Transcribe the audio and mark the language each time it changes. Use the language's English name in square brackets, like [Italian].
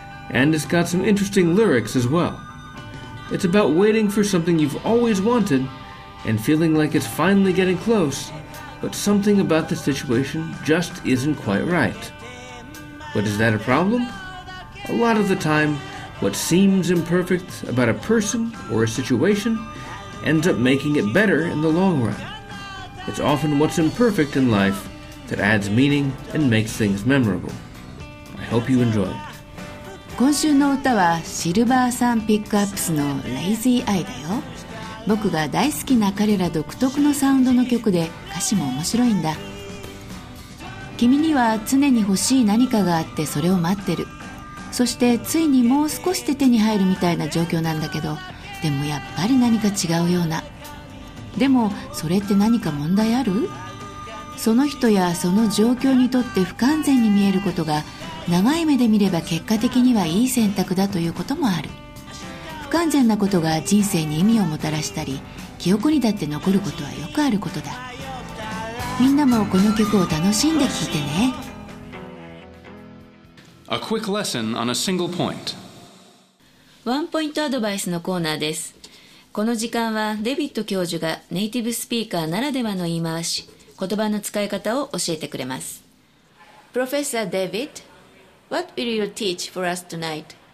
[English] And it's got some interesting lyrics as well. It's about waiting for something you've always wanted and feeling like it's finally getting close, but something about the situation just isn't quite right. But is that a problem? A lot of the time, what seems imperfect about a person or a situation ends up making it better in the long run. It's often what's imperfect in life that adds meaning and makes things memorable. I hope you enjoy it. [Japanese] 今週の歌はシルバーサンピックアップスの Lazy Eye だよ。僕が大好きな彼ら独特のサウンドの曲で、歌詞も面白いんだ。君には常に欲しい何かがあって、それを待ってる。そしてついにもう少しで手に入るみたいな状況なんだけど、でもやっぱり何か違うような。でもそれって何か問題ある？その人やその状況にとって不完全に見えることが、長い目で見れば結果的にはいい選択だということもある。不完全なことが人生に意味をもたらしたり、記憶にだって残ることはよくあることだ。みんなもこの曲を楽しんで聴いてね。 A quick lesson on a single point. ワンポイントアドバイスのコーナーです。この時間はデビッド教授がネイティブスピーカーならではの言い回し、言葉の使い方を教えてくれます。プロフェッサーデビッド、 [English] What will you teach for us tonight?